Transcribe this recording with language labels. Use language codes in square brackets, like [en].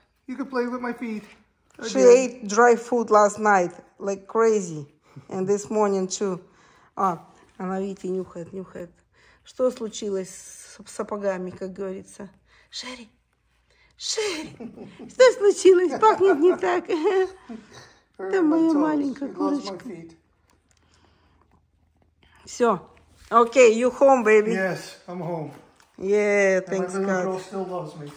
[en] You can play with my feet. Again. She ate dry food last night like crazy. And this morning too. [ru] Она видите, нюхает. Что случилось с сапогами, как говорится? Шерри, что случилось? Пахнет не так. Это моя маленькая курочка. Все. [en] Окей, you home, baby. Yes, I'm home. Yeah, thanks, God. And my little girl still loves me.